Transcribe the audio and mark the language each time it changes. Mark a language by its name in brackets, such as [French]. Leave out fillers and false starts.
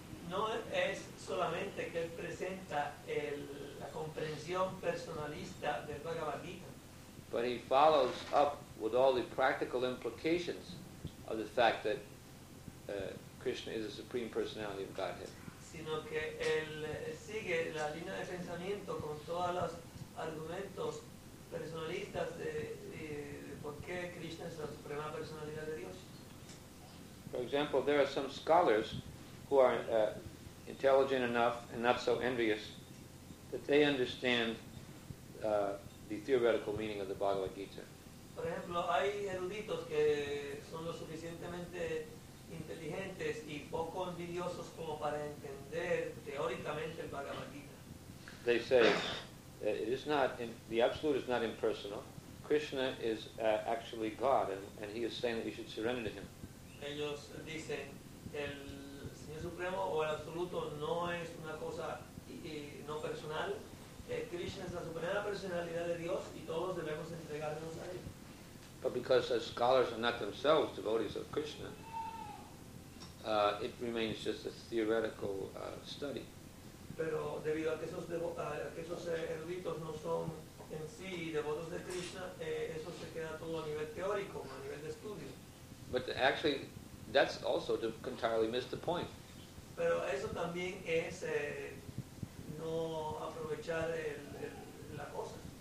[Spanish] No es solamente que él presenta la comprensión personalista del Bhagavad Gita. [English] But he follows up with all the practical implications of the fact that Krishna is the Supreme Personality of Godhead. [Spanish] Sino sino que él sigue la línea de pensamiento con todos los argumentos personalistas de por qué Krishna es la suprema personalidad de Dios. [English] For example, there are some scholars who are intelligent enough and not so envious that they understand the theoretical meaning of the Bhagavad Gita. [Spanish] Por ejemplo, hay eruditos que son lo suficientemente inteligentes y poco envidiosos como para entender teóricamente el Bhagavad Gita. [English] They say it is not in, the absolute is not impersonal. Krishna is actually God, and he is saying that we should surrender to him. [Spanish] Ellos dicen el Señor Supremo o el Absoluto no es una cosa no personal. Krishna es la suprema personalidad de Dios y todos debemos entregarnos a él. [English] But because as scholars are not themselves devotees of Krishna, it remains just a theoretical study. [Spanish] Pero debido a que esos eruditos no son en sí devotos de Krishna, eso se queda todo a nivel teórico, a nivel de estudio. [English] But actually, that's also to entirely miss the point. [Spanish] Pero eso también es no aprovechar la cosa.